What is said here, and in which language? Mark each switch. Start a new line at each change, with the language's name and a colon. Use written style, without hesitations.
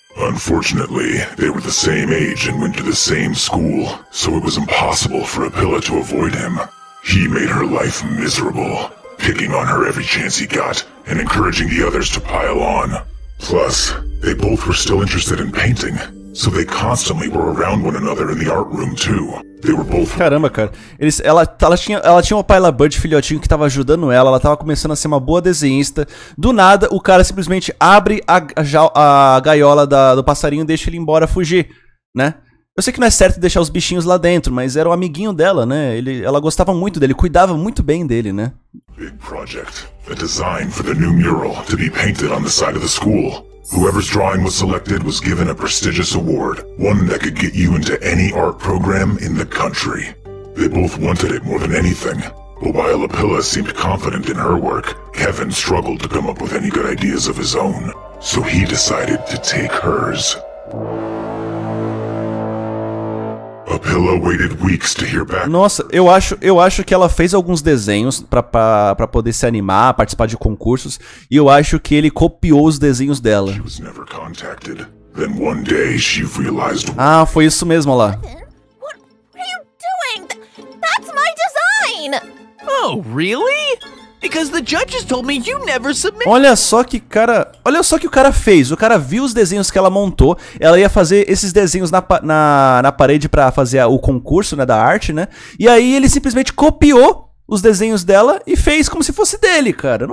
English: Unfortunately, they were the same age and went to the same school, so it was impossible for Apila to avoid him. He made her life miserable, picking on her every chance he got and encouraging the others to pile on. Plus, they both were still interested in painting. So they constantly were around one another in the art room too. They were both.
Portuguese: Caramba, cara. Ela tinha um Pilabird filhotinho que tava ajudando ela. Ela tava começando a ser uma boa desenhista. Do nada, o cara simplesmente abre a gaiola do passarinho e deixa ele embora fugir, né? Eu sei que não é certo deixar os bichinhos lá dentro, mas era o amiguinho dela, né? Ela gostava muito dele, cuidava muito bem dele, né?
English: Big project. A design for the new mural to be painted on the side of the school. Whoever's drawing was selected was given a prestigious award, one that could get you into any art program in the country. They both wanted it more than anything, but while Apila seemed confident in her work, Kevin struggled to come up with any good ideas of his own, so he decided to take hers. Apila waited weeks to hear back.
Portuguese: Nossa, eu acho que ela fez alguns desenhos pra poder se animar, participar de concursos, e eu acho que ele copiou os desenhos dela.
English: She was never contacted. Then one day she realized...
Portuguese: Ah, foi isso mesmo, olha lá.
English: What are you doing? That's my design! Oh, really? Because the judges told me you never submitted.
Portuguese: Olha só que o cara fez. O cara viu os desenhos que ela montou. Ela ia fazer esses desenhos na parede pra fazer o concurso, né, da arte, né? E aí ele simplesmente copiou os desenhos dela e fez como se fosse dele, cara.